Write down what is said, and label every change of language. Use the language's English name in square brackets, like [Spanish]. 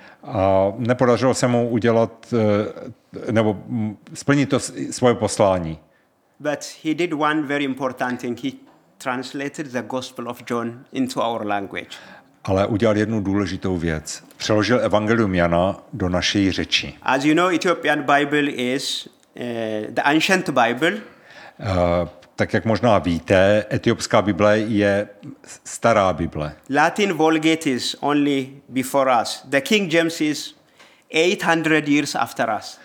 [Czech] A nepodařilo se mu udělat nebo splnit to svoje poslání. [English] But he did one very important thing. He translated the Gospel of John into our language. [Czech] Ale udělal jednu důležitou věc. Přeložil evangelium Jana do naší řeči. [English] As you know, Ethiopian Bible is the ancient Bible. [Czech] Tak jak možná víte, etiopská Bible je stará Bible. [English] Latin Vulgate is only before us. The King James is 800 years after us.